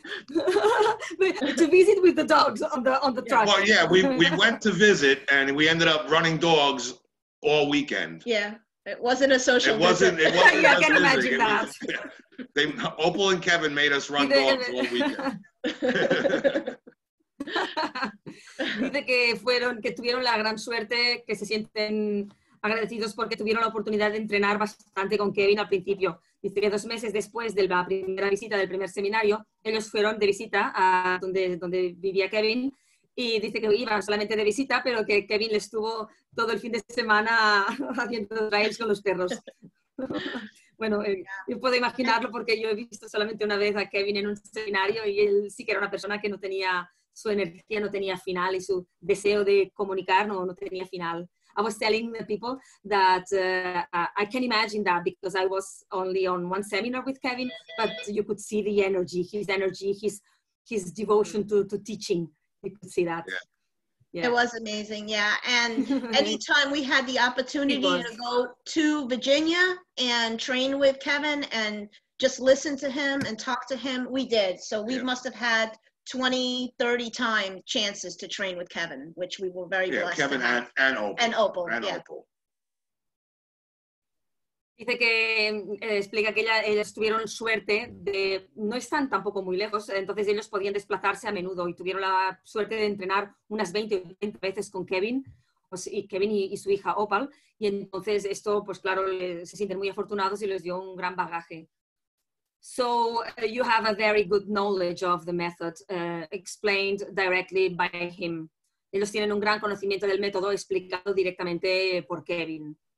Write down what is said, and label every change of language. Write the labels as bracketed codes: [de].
[en] To visit with the dogs on the truck. Well, yeah, we went to visit and we ended up running dogs all weekend. Yeah, it wasn't a social visit. It wasn't. Yeah, I can imagine that. Opal and Kevin made us run dogs all weekend. [es] Dice que fueron, que tuvieron la gran suerte, que se sienten agradecidos porque tuvieron la oportunidad de entrenar bastante con Kevin al principio. Dice que dos meses después de la primera visita del primer seminario, ellos fueron de visita a donde vivía Kevin y dice que iba solamente de visita, pero que Kevin les estuvo todo el fin de semana haciendo trails con los perros. Bueno, yo puedo imaginarlo porque yo he visto solamente una vez a Kevin en un seminario y él sí que era una persona que no tenía su energía, no tenía final y su deseo de comunicar no tenía final. [en] I was telling the people that I can imagine that because I was only on one seminar with Kevin, but you could see the energy, his devotion to teaching. You could see that. Yeah. It was amazing, yeah. And anytime we had the opportunity to go to Virginia and train with Kevin and just listen to him and talk to him, we did. So we must have had 20-30 time chances to train with Kevin, which we were very blessed. Yeah, Kevin and Opal. And Opal, yeah. [es] Dice que explica que ellos tuvieron suerte de no están tampoco muy lejos, entonces ellos podían desplazarse a menudo y tuvieron la suerte de entrenar unas 20 veces con Kevin, pues, y Kevin y su hija Opal, y entonces esto, pues claro, se sienten muy afortunados y les dio un gran bagaje. [en] So you have a very good knowledge of the method explained directly by him. [es] Ellos tienen un gran conocimiento del método explicado directamente por Kevin.